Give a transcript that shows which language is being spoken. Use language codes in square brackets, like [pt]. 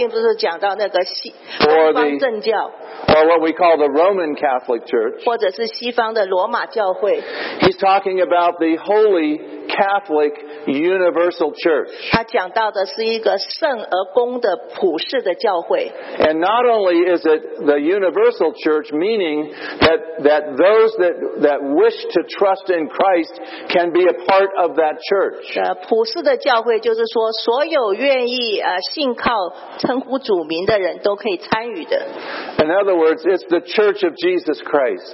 [zh] 所以在那个使徒信经里面讲到的，并不是讲到那个西方正教。 [en] Or what we call the Roman Catholic Church. [zh] 或者是西方的罗马教会。 [en] He's talking about the Holy Catholic Universal Church. [zh] 他讲到的是一个圣而公的普世的教会。 [en] And not only is it the Universal Church, meaning that those that wish to trust in Christ can be a part of that church. [zh] 普世的教会就是说，所有愿意信靠称呼主名的人都可以参与的。 [en] In other words, it's the Church of Jesus Christ.